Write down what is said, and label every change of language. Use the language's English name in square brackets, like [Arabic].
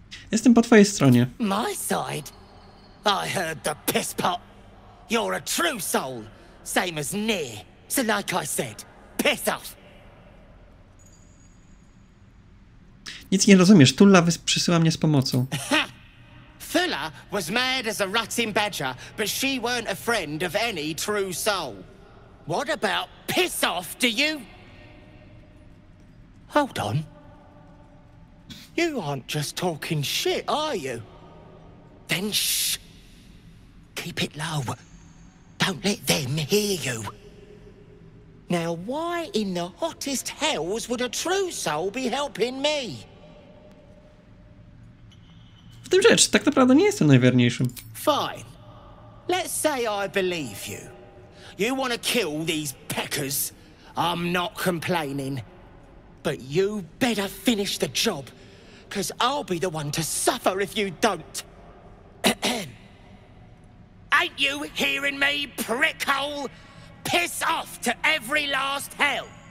[Polish] Jestem po twojej stronie. [English] My side? I heard the piss pot. You're a true soul. Same as Nier. So like I said, piss off. [Polish] Nic nie rozumiesz. Tulla przysyła mnie z pomocą. [English] Tulla was mad as a rutting badger, but she weren't a friend of any true soul. What about piss off, do you? Hold on. You aren't just talking shit, are you? Then shh. Keep it low. Don't let them hear you. Now, why in the hottest hells would a true soul be helping me? [Polish] W tym rzecz, tak naprawdę nie jestem najwierniejszym. [English] Fine. Let's say I believe you. You want to kill these peckers? I'm not complaining. But you better finish the job. Because I'll be the one to suffer if you don't. Ain't you hearing me, prickhole? Piss off to every last hell.